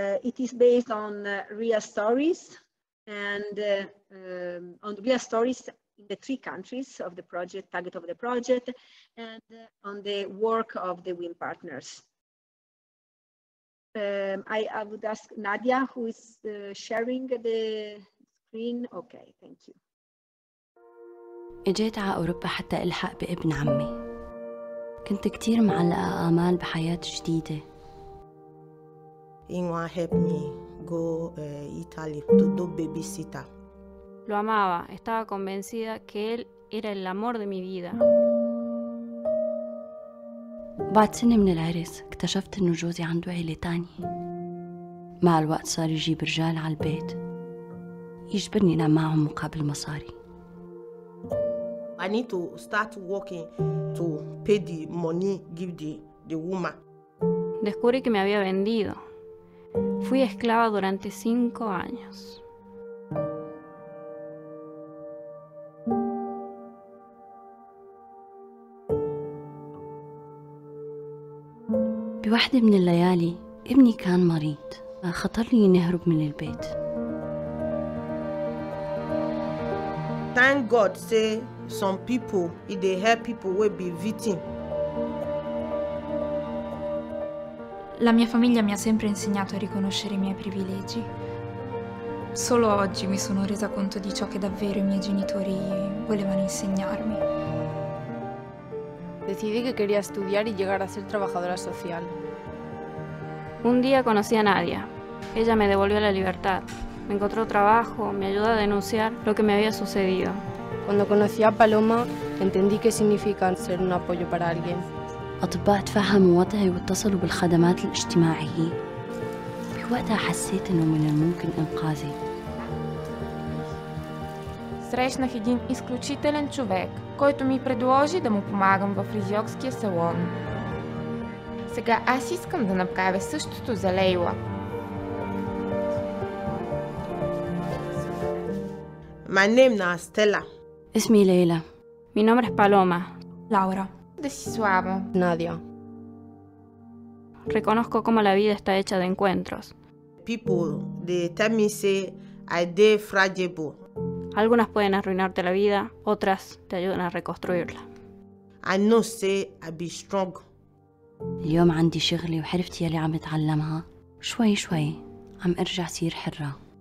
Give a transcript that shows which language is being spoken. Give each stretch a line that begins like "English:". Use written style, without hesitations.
English: It is based on real stories and on real stories in the three countries of the project, target of the project, and on the work of the WIN partners. I would ask Nadia, who is sharing the screen. Okay, thank you.
Arabic: اجيت على أوروبا حتى ألحق بابن عمي. كنت كتير معلقة آمال بحياة جديدة. إين واحبني جو إيطالي تدو بيبيسيتا.
Spanish: Lo amaba. Estaba convencida que él era el amor de mi vida.
Arabic: بعد سنة من العرس اكتشفت إنه جوزي عنده عيلة تانية. مع الوقت صار يجيب رجال على البيت. يجبرني أنام معهم مقابل مصاري.
English: I need to start working to pay the money, give the woman.
Spanish: Descubrí que me había vendido. Fui esclava durante 5 años.
Arabic: بواحدة من الليالي ابني كان مريض. خطر لي نهرب من البيت.
English: Thank God, say some people, if they help people, will be victim.
Italian: La mia famiglia mi ha sempre insegnato a riconoscere i miei privilegi. Solo oggi mi sono resa conto di ciò che davvero i miei genitori volevano insegnarmi.
Spanish: Decidí que quería estudiar y llegar a ser trabajadora social. Un día conocí a Nadia. Ella me devolvió la libertad. Me encontró trabajo, me ayudó a denunciar lo que me había sucedido. Cuando conocí a Paloma, entendí qué significa ser un apoyo para alguien.
Arabic: أطباء تفهموا وضعي واتصلوا بالخدمات الاجتماعية. بوقتها حسيت إنه من الممكن إنقاذي.
Bulgarian: Срещнах един изключителен човек, който ми предложи да му помагам в фризьорския салон. Сега аз искам да направя същото за Лейла.
English: My name is Stella.
Arabic: Исми Лейла.
Spanish: Mi nombre es Paloma. Laura. Десислава. Надя. Reconozco cómo la vida está hecha de encuentros.
English: People, they tell me say I de fragile.
Spanish: Algunas pueden arruinarte la vida, otras te ayudan a reconstruirla.
English: I know say I be strong.
Arabic: اليوم عندي شغلي وحرفتي يلي عم بتعلمها شوي شوي عم ارجع صير حرة.